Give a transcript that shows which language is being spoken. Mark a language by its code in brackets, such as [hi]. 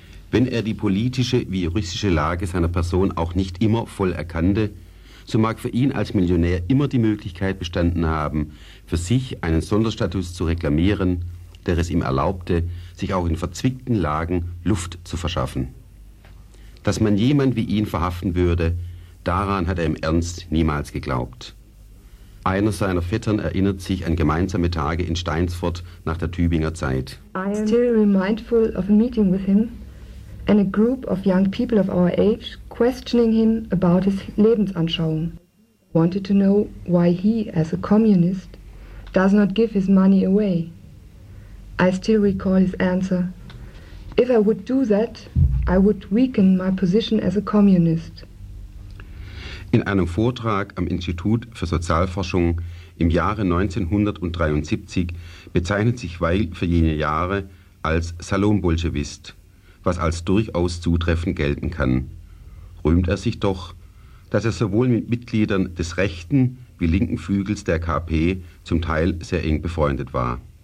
[de] Wenn er die politische wie juristische Lage seiner Person auch nicht immer voll erkannte, so mag für ihn als Millionär immer die Möglichkeit bestanden haben, für sich einen Sonderstatus zu reklamieren, der es ihm erlaubte, sich auch in verzwickten Lagen Luft zu verschaffen. Dass man jemand wie ihn verhaften würde, daran hat er im Ernst niemals geglaubt. Einer seiner Vettern erinnert sich an gemeinsame Tage in Steinsfurt nach der Tübinger Zeit. [en] I am still remindful of a meeting with him and a group of young people of our age questioning him about his Lebensanschauung. Wanted to know why he, as a communist, does not give his money away. I still recall his answer. If I would do that, I would weaken my position as a communist. [de] In einem Vortrag am Institut für Sozialforschung im Jahre 1973 bezeichnet sich Weil für jene Jahre als Salonbolschewist, was als durchaus zutreffend gelten kann. Rühmt er sich doch, dass er sowohl mit Mitgliedern des rechten wie linken Flügels der KP zum Teil sehr eng befreundet war.